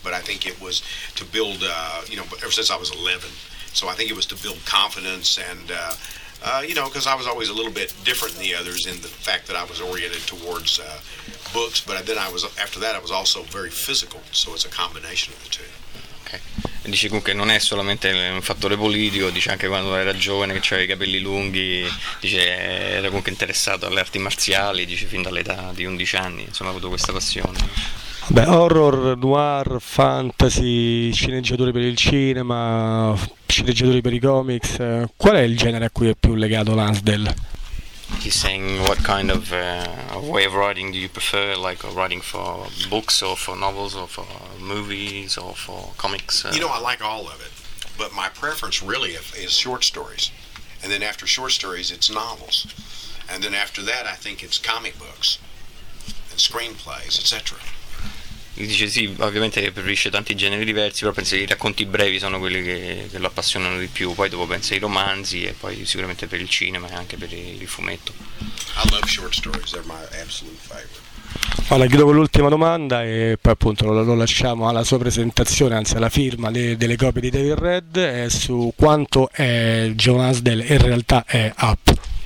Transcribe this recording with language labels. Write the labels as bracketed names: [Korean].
[English] But I think it was to build, ever since I was 11. So I think it was to build confidence and, because I was always a little bit different than the others in the fact that I was oriented towards books. But then after that, I was also very physical. So it's a combination of the two. Okay. [Italian] Dice comunque non è solamente un fattore politico, dice anche quando era giovane che c'aveva i capelli lunghi, dice era comunque interessato alle arti marziali, dice fin dall'età di 11 anni, insomma ha avuto questa passione. Beh, horror, noir, fantasy, sceneggiatori per il cinema, sceneggiatori per i comics, qual è il genere a cui è più legato Lansdale? [English] He's saying what kind of way of writing do you prefer, like writing for books or for novels or for movies or for comics? I like all of it, but my preference really is short stories. And then after short stories, it's novels. And then after that, I think it's comic books and screenplays, etc. [Italian] Dice sì, ovviamente preferisce tanti generi diversi, però penso che i racconti brevi sono quelli che lo appassionano di più, poi dopo pensa ai romanzi e poi sicuramente per il cinema e anche per il fumetto. [English] I love short stories, they're my absolute favorite. [Italian] Allora, chiudo con l'ultima domanda e poi appunto lo lasciamo alla sua presentazione, anzi alla firma delle copie di David Red, e su quanto è John Lansdale in realtà è up.